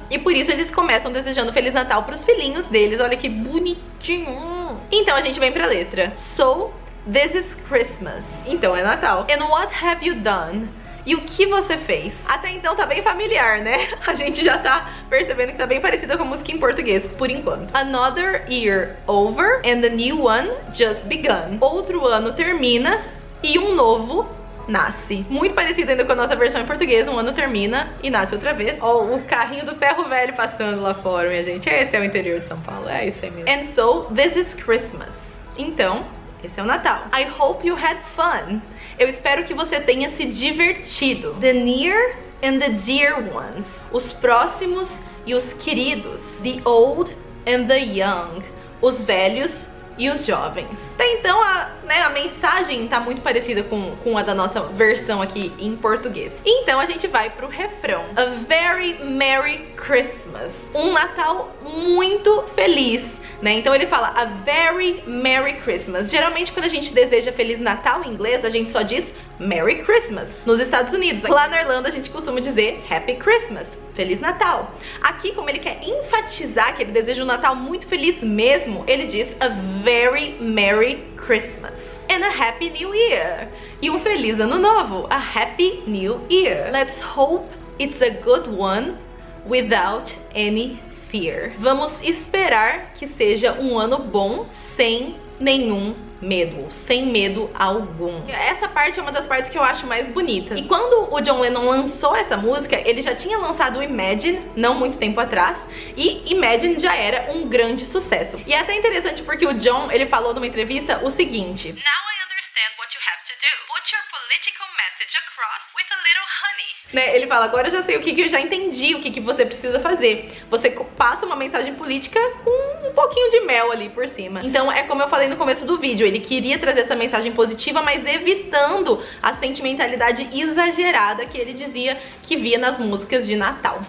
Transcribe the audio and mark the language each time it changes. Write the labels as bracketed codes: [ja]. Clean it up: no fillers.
[pt] E por isso eles começam desejando Feliz Natal pros filhinhos deles. Olha que bonitinho. Então a gente vem pra letra. [en] So, this is Christmas. [pt] Então é Natal. [en] And what have you done? [pt] E o que você fez? Até então tá bem familiar, né? A gente já tá percebendo que tá bem parecida com a música em português, por enquanto. [en] Another year over and a new one just begun. [pt] Outro ano termina e um novo nasce. Muito parecido ainda com a nossa versão em português. Um ano termina e nasce outra vez. Ó, o carrinho do ferro velho passando lá fora, minha gente. Esse é o interior de São Paulo, é isso aí mesmo. [en] And so, this is Christmas. [pt] Então, esse é o Natal. [en] I hope you had fun. [pt] Eu espero que você tenha se divertido. [en] The near and the dear ones. [pt] Os próximos e os queridos. [en] The old and the young. [pt] Os velhos e os jovens. Até então, a mensagem tá muito parecida com a da nossa versão aqui em português. Então a gente vai pro refrão. [en] A very merry Christmas. [pt] Um Natal muito feliz. Né? Então ele fala [en] a very merry Christmas. [pt] Geralmente quando a gente deseja Feliz Natal em inglês, a gente só diz Merry Christmas. Nos Estados Unidos, lá na Irlanda, a gente costuma dizer Happy Christmas, Feliz Natal. Aqui, como ele quer enfatizar que ele deseja um Natal muito feliz mesmo, ele diz [en] a very merry Christmas and a happy new year. [pt] E um feliz ano novo, [en] a happy new year. Let's hope it's a good one without any fear. [pt] Vamos esperar que seja um ano bom sem nenhum medo, sem medo algum. Essa parte é uma das partes que eu acho mais bonita. E quando o John Lennon lançou essa música, ele já tinha lançado o Imagine, não muito tempo atrás, e Imagine já era um grande sucesso. E é até interessante porque o John, ele falou numa entrevista o seguinte: [en] Now I understand what you have to do. Put your political message across with a little honey. [pt] Né? Ele fala, agora eu já sei o que, que eu já entendi, o que, que você precisa fazer. Você passa uma mensagem política com um pouquinho de mel ali por cima. Então é como eu falei no começo do vídeo, ele queria trazer essa mensagem positiva, mas evitando a sentimentalidade exagerada que ele dizia que via nas músicas de Natal.